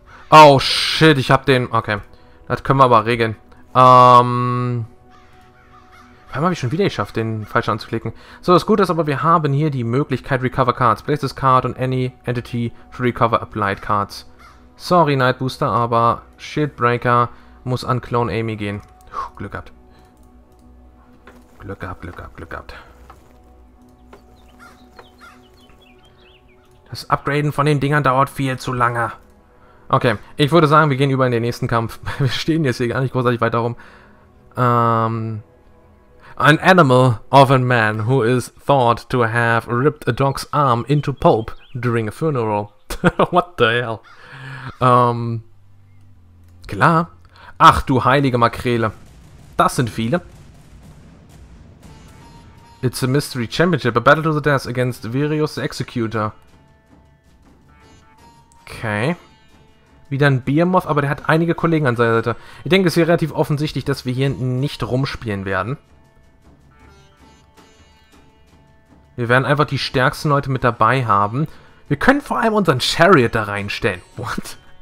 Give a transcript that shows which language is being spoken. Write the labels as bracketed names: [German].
[German] Oh shit, ich hab den... Okay, das können wir aber regeln. Vor allem habe ich schon wieder geschafft, den falsch anzuklicken. So, das Gute ist aber, wir haben hier die Möglichkeit, Recover Cards. [English] Place this card on any entity to recover applied cards. [German] Sorry, Night Booster, aber Shieldbreaker... Muss an Clone Amy gehen. Puh, Glück gehabt. Glück gehabt. Das Upgraden von den Dingern dauert viel zu lange. Okay, ich würde sagen, wir gehen über in den nächsten Kampf. Wir stehen jetzt hier gar nicht großartig weit darum. [English] An animal of a man who is thought to have ripped a dog's arm into pulp during a funeral. What the hell? [German] Klar. Ach, du heilige Makrele. Das sind viele. [English] It's a mystery championship. A battle to the death against Virius the Executor. Okay. [German] Wieder ein Beermoth, aber der hat einige Kollegen an seiner Seite. Ich denke, es ist relativ offensichtlich, dass wir hier nicht rumspielen werden. Wir werden einfach die stärksten Leute mit dabei haben. Wir können vor allem unseren Chariot da reinstellen. [English] What?